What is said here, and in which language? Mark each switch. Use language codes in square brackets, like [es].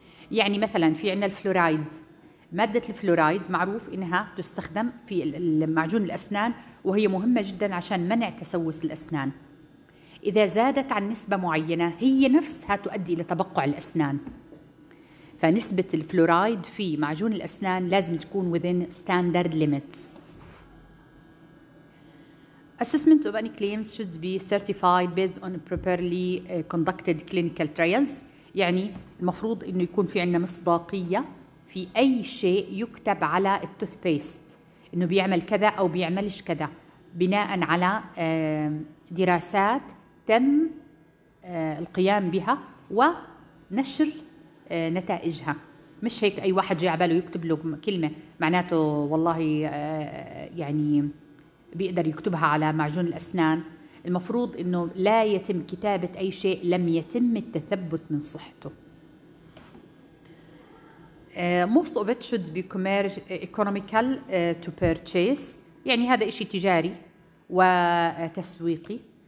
[ar] يعني مثلا في عنا الفلورايد، مادة الفلورايد معروف إنها تستخدم في معجون الأسنان وهي مهمة جدا عشان منع تسوس الأسنان. إذا زادت عن نسبة معينة هي نفسها تؤدي إلى تبقع الأسنان، فنسبة الفلورايد في معجون الأسنان لازم تكون [en] within standard limits. Assessment of any claims should be certified based on properly conducted clinical trials. [ar] يعني المفروض إنه يكون في عنا مصداقية في أي شيء يكتب على التوثبيست إنه بيعمل كذا أو بيعملش كذا، بناء على دراسات تم القيام بها ونشر نتائجها. مش هيك أي واحد جاي عباله يكتب له كلمة معناته والله يعني بيقدر يكتبها على معجون الأسنان. المفروض إنه لا يتم كتابة أي شيء لم يتم التثبت من صحته. [en] Most of it should be economical to purchase، [ar] يعني هذا إشي تجاري وتسويقي.